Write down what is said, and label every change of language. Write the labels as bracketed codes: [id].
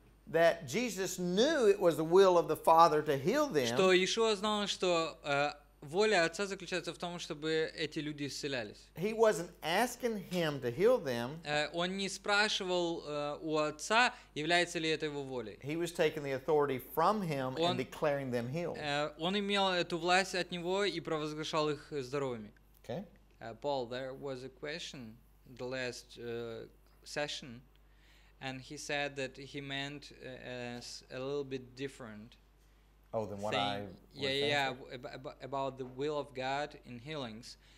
[en] That Jesus knew it was the will of the Father to heal them. [ru] Что Иешуа знал, что воля Отца заключается в том, чтобы эти люди исцелялись. [en] He wasn't asking him to heal them. [ru] Он не спрашивал у Отца, является ли это его волей. [en] He was taking the authority from him and declaring them healed. [ru] Он имел эту власть от него и провозглашал их здоровыми. [en] Okay. Paul, there was a question the last session. And he said that he meant as a little bit different. Oh, than what thing. I yeah, think. Yeah, about the will of God in healings.